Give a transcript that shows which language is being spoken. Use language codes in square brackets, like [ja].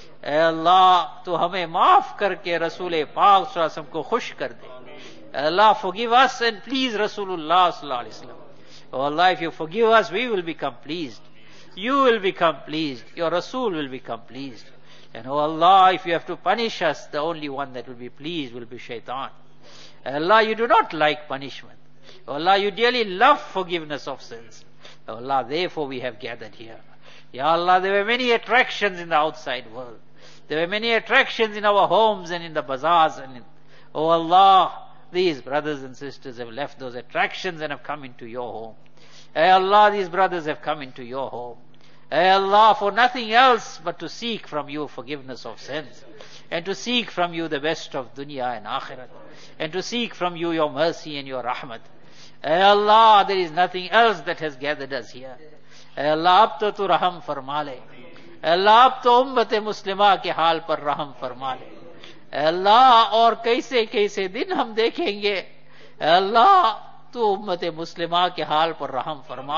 [ur] اے اللہ تو ہمیں معاف کر کے رسول پاک صلی اللہ علیہ وسلم کو خوش کر دے. اے اللہ [en] forgive us and please [ur] رسول اللہ صلی اللہ علیہ وسلم. [en] Oh Allah, if you forgive us, we will become pleased. You will become pleased. Your Rasul will become pleased. And oh Allah, if you have to punish us, the only one that will be pleased will be Shaitan. Oh Allah, you do not like punishment. Oh Allah, you dearly love forgiveness of sins. Oh Allah, therefore we have gathered here. Ya Allah, there were many attractions in the outside world. There were many attractions in our homes and in the bazaars. Oh Allah, these brothers and sisters have left those attractions and have come into your home. Ay Allah, these brothers have come into your home. Ay Allah, for nothing else but to seek from you forgiveness of sins. And to seek from you the best of dunya and akhirat. And to seek from you your mercy and your rahmat. Ay Allah, there is nothing else that has gathered us here. [ur] اے اللہ اب تو تو رحم فرما لے. اے اللہ اب تو امت مسلمہ کے حال پر رحم فرما لے. اے اللہ اور کیسے کیسے دن ہم دیکھیں گے. اے اللہ تو امت مسلمہ کے حال پر رحم فرما.